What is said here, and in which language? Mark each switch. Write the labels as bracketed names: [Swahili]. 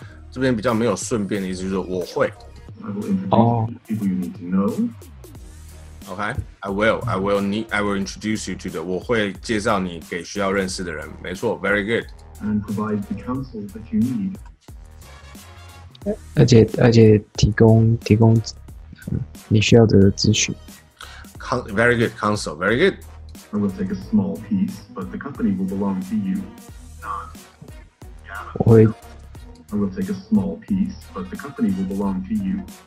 [Chinese] 这边比较没有顺便的意思就是我会。 [English] I will introduce you to the people you need to know. Okay, I will introduce you to the [Chinese] 我会介绍你给需要认识的人。没错 [English] ，very good. And provide the counsel that you need. [Chinese] 而且提供你需要的咨询。 [English] Very good, counsel. Very good. I will take a small piece, but the company will belong to you. I will take a small piece, but the company will belong to you.